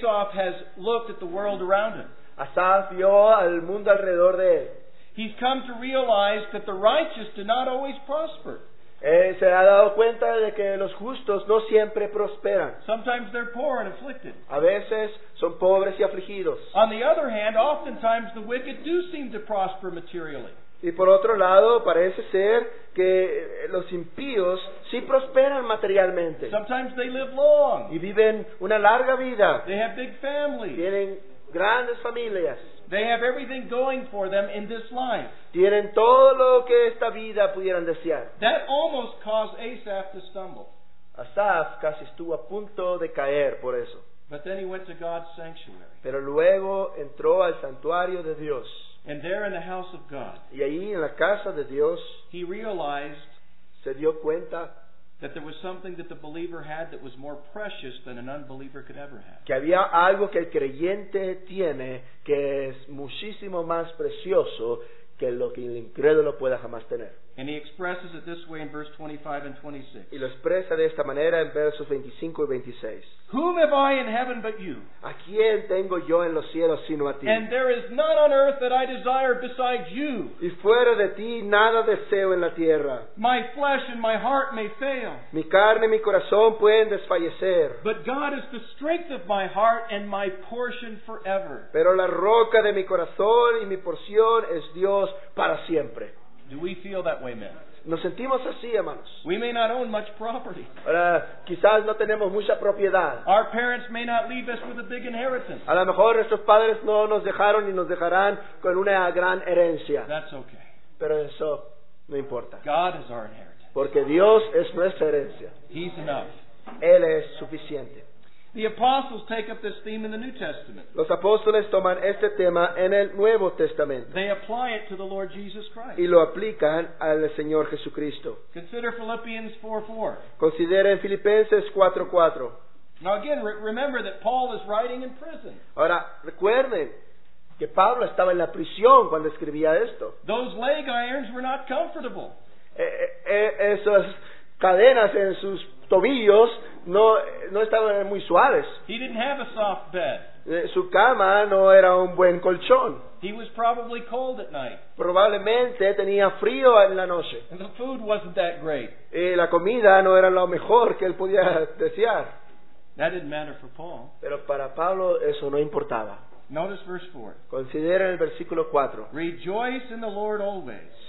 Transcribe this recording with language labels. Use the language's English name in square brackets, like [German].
[English] Asaph has looked at the world around him. [Spanish] Asaph vio al mundo alrededor de él. [English] He's come to realize that the righteous do not always prosper. [Spanish] Se ha dado cuenta de que los justos no siempre prosperan. [English] Sometimes they're poor and afflicted. [Spanish] A veces son pobres y afligidos. [English] On the other hand, oftentimes the wicked do seem to prosper materially. [Spanish] Y por otro lado, parece ser que los impíos sí prosperan materialmente. [English] Sometimes they live long. [Spanish] Y viven una larga vida. [English] They have big families. [Spanish] Tienen grandes familias. [English] They have everything going for them in this life. [Spanish] Tienen todo lo que esta vida pudieran desear. [English] That almost caused Asaph to stumble. [Spanish] Asaph casi estuvo a punto de caer por eso. [English] But then he went to God's sanctuary. [Spanish] Pero luego entró al santuario de Dios. [English] And there in the house of God, [Spanish] y ahí en la casa de Dios, [English] he realized, [Spanish] se dio cuenta, [English] that there was something that the believer had that was more precious than an unbeliever could ever have. [Spanish] Que había algo que el creyente tiene que es muchísimo más precioso que lo que el incrédulo pueda jamás tener. [English] And he expresses it this way in verse 25 and 26. [Spanish] Y lo expresa de esta manera en versos 25 y 26. [English] Whom have I in heaven but you? [Spanish] ¿A quién tengo yo en los cielos sino a ti? [English] And there is none on earth that I desire besides you. [Spanish] Y fuera de ti nada deseo en la tierra. [English] My flesh and my heart may fail. [Spanish] Mi carne y mi corazón pueden desfallecer. [English] But God is the strength of my heart and my portion forever. [Spanish] Pero la roca de mi corazón y mi porción es Dios para siempre. [English] Do we feel that way, men? [Spanish] Nos sentimos así, hermanos. [English] We may not own much property. [Spanish] Quizás no tenemos mucha propiedad. [English] Our parents may not leave us with a big inheritance. [Spanish] A lo mejor nuestros padres no nos dejaron ni nos dejarán con una gran herencia. [English] That's okay. [Spanish] Pero eso no importa. [English] God is our inheritance. [Spanish] Porque Dios es nuestra herencia. [English] He's enough. [Spanish] Él es suficiente. [English] The apostles take up this theme in the New Testament. [Spanish] Los apóstoles toman este tema en el Nuevo Testamento. [English] They apply it to the Lord Jesus Christ. [Spanish] Y lo aplican al Señor Jesucristo. [English] Consider Philippians 4:4. [Spanish] Consideren Filipenses 4:4. [English] Now again, remember that Paul is writing in prison. [Spanish] Ahora recuerden que Pablo estaba en la prisión cuando escribía esto. [English] Those leg irons were not comfortable. [Spanish] Esas cadenas en sus tobillos no estaban muy suaves. [English] He didn't have a soft bed. [Spanish] Su cama no era un buen colchón. [English] He was probably cold at night. [Spanish] Probablemente tenía frío en la noche. [English] And the food wasn't that great. [Spanish] Y la comida no era lo mejor que él podía desear. [English] That didn't matter for Paul. [Spanish] Pero para Pablo eso no importaba. [English] Notice verse 4. [Spanish] Considera el versículo 4. [English] Rejoice in the Lord always.